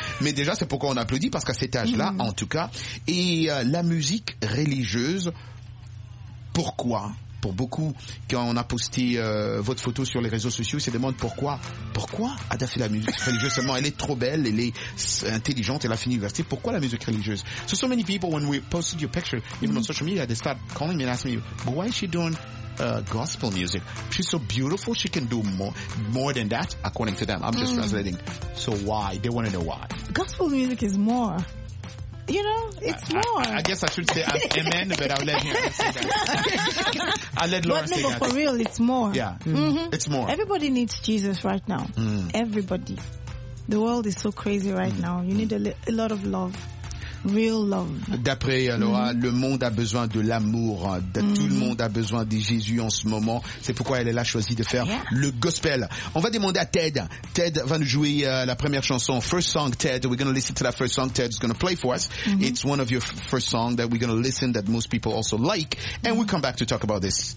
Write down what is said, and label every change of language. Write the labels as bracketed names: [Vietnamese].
[French] Mais déjà, c'est pourquoi on applaudit, parce qu'à cet âge-là, en tout cas. Et la musique religieuse, pourquoi? Pour beaucoup, quand on a posté votre photo sur les réseaux sociaux, ils se demandent pourquoi. Pourquoi Ada fait la musique religieuse seulement? Elle est trop belle, elle est intelligente, elle a fini l'université. Pourquoi la musique religieuse? [English] So, so many people, when we posted your picture, even on social media, they start calling me and asking me, but why is she doing gospel music? She's so beautiful, she can do more than that, according to them. I'm just translating. So why? They want to know why. Gospel music is more. You know, it's more. I guess I should say amen, but I'll let him answer that. I I let Laura say that. For real, it's more. Yeah. Mm-hmm. It's more. Everybody needs Jesus right now. Mm. Everybody. The world is so crazy right now. You need a lot of love. Real love. [French] D'après Laura, le monde a besoin de l'amour. Tout le monde a besoin de Jésus en ce moment. C'est pourquoi elle a choisi de faire le gospel. On va demander à Ted. Ted va nous jouer la première chanson. [English] First song, Ted. We're going to listen to that first song. Ted is going to play for us. Mm-hmm. It's one of your first songs that we're going to listen that most people also like. And we'll come back to talk about this.